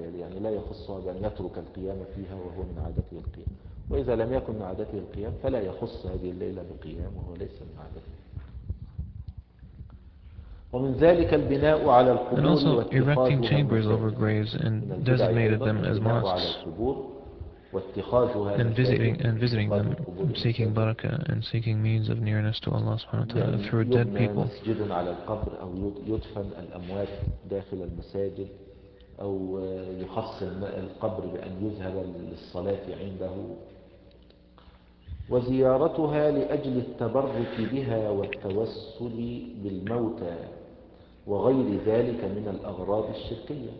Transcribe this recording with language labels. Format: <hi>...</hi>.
<ar>يعني لا يخص هذا أن يترك القيام فيها وهو من عادته القيام, وإذا لم يكن من عادته القيام فلا يخص هذه الليلة بالقيام وهو ليس من عادته. ومن ذلك البناء على القبور</ar> <en>and also erecting chambers over graves and designated them as mosques and visiting them, seeking baraka and seeking means of nearness to Allah subhanahu wa ta'ala through dead people.</en> <ar>مسجد على القبر أو يدفن الأموات داخل المساجد أو يخص القبر بأن يذهب للصلاة عنده وزيارتها لأجل التبرك بها والتوسل بالموتى وغير ذلك من الأغراض الشركية.</ar>